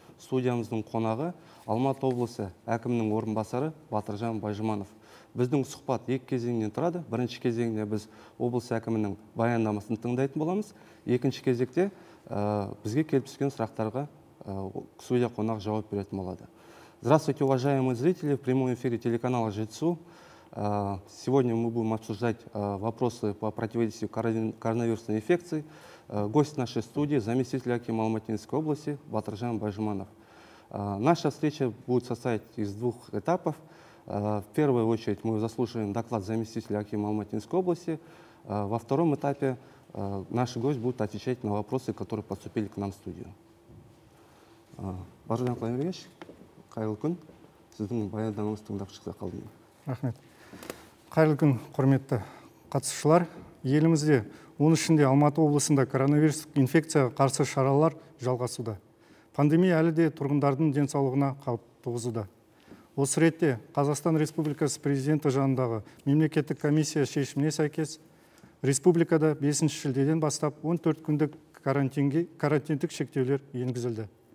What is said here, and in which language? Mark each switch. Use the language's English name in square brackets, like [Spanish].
[Kazakh] Студиямыздың қонағы Алматы облысы әкімінің орынбасары Батыржан Байжұманов. Біздің сұхбат екі кезеңнен тұрады. Бірінші кезеңде біз облыс әкімінің баяндамасын тыңдайтын боламыз. Екінші кезекте бізге келіп түскен сұрақтарға студия қонағы жауап беретін болады. [Russian] Здравствуйте, уважаемые зрители, в прямом эфире телеканала ЖТСУ. Сегодня мы будем обсуждать вопросы по противодействию коронавирусной инфекции. Гость нашей студии, заместитель акима Алматинской области Батыржан Байжұманов. Наша встреча будет состоять из двух этапов. В первую очередь мы заслушаем доклад заместителя акима Алматинской области. Во втором этапе наш гость будет отвечать на вопросы, которые поступили к нам в студию. [Kazakh] Батыржан Байжұманович, қайырлы күн. Сіздің баяндамаңызды тыңдап шықса қалдым. Рахмет. Қайырлы күн, құрметті қатысушылар. Елімізде, оның ішінде Алматы облысында коронавирустық инфекцияға қарсы шаралар жалғасуда. Пандемия әлі де тұрғындардың денсаулығына қауіп туғызуда. Осы ретте Қазақстан Республикасы президенті жанындағы мемлекеттік комиссия шешіміне сәйкес республикада 5 шілдеден бастап 14 күндік карантиндік шектеулер енгізілді.